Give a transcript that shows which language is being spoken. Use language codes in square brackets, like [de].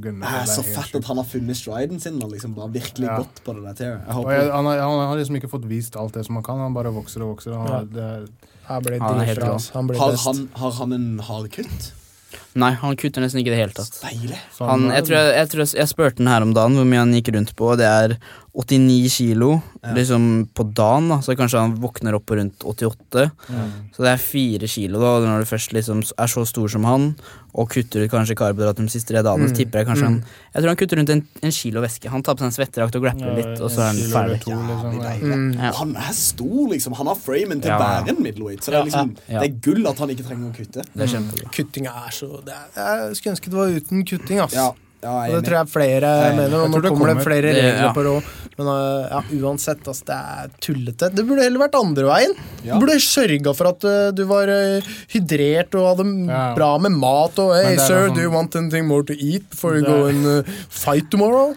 [no] Det så fett at han har funnet striden sin og liksom bare virkelig gått på det der til. Han har liksom ikke fått vist alt det som han kan. Han bare vokser. Har han en hard kutt? Nei, han kutter nesten ikke det helt tatt. Steile. Han, jeg tror jeg spurte den her om dagen hvor mye han gikk rundt på. Det 89 kilo liksom på dagen da. Så kanskje han våkner opp på rundt 88. Så det 4 kilo da. Når du først liksom så stor som han og kutter ut kanskje karbohydrat de siste 3 dagene, så tipper jeg kanskje jeg tror han kutter rundt en kilo væske. Han tar på seg en svetterakt og grappler litt, og så er han ferdig. Ja, han stor liksom. Han har framen til bæren middleweight. Så det liksom det gull at han ikke trenger å kutte. Det kjempebra. Kutting så jeg skulle ønske det var uten kutting, ass. Ja, det tror jeg flere mener. Nå kommer det flere regler på rå. Men uansett, altså, det tullete. Det burde heller vært andre veien. Du burde sørget for at du var hydrert og hadde bra med mat. [en] Og hey sir, do you want anything more to eat before you go and fight tomorrow?